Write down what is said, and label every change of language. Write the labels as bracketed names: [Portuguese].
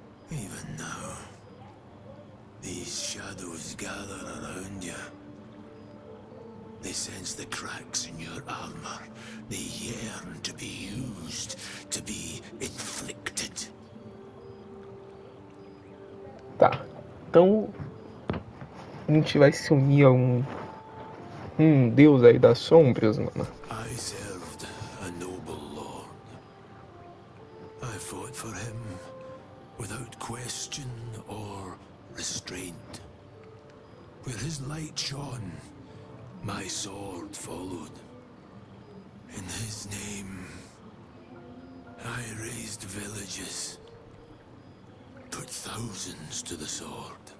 [English] Even now, these shadows gather around you. They sense the cracks in your armor. They yearn to be used, to be inflicted. [Portuguese] Tá, então a gente vai se unir a um deus aí das sombras, mano. [English] I served a noble lord. I fought for him without question or restraint. Where his light shone, my sword followed. In his name, I raised villages, put thousands to the sword.